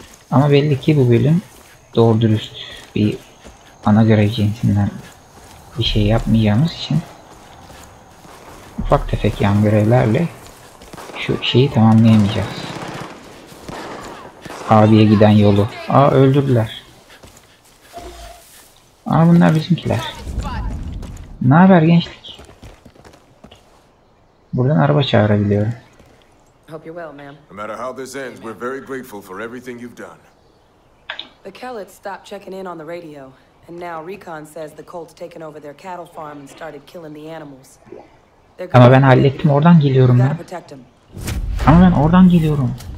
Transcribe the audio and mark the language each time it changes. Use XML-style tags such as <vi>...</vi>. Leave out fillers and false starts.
<tr>Ama belli ki bu bölüm doğru dürüst bir ana görev cinsinden bir şey yapmayacağımız için ufak tefek yan görevlerle şu şeyi tamamlayamayacağız. Abiye giden yolu. Aa öldürdüler. Aa bunlar bizimkiler. Ne haber gençlik? Buradan araba çağırabiliyorum.</tr> <en>No matter how this ends, we're very grateful for everything you've done. The Kellets stopped checking in on the radio, and now Recon says the Colts taken over their cattle farm and started killing the animals.</en> <tr>Ama ben hallettim, oradan geliyorum ya. Ama ben oradan geliyorum.</tr>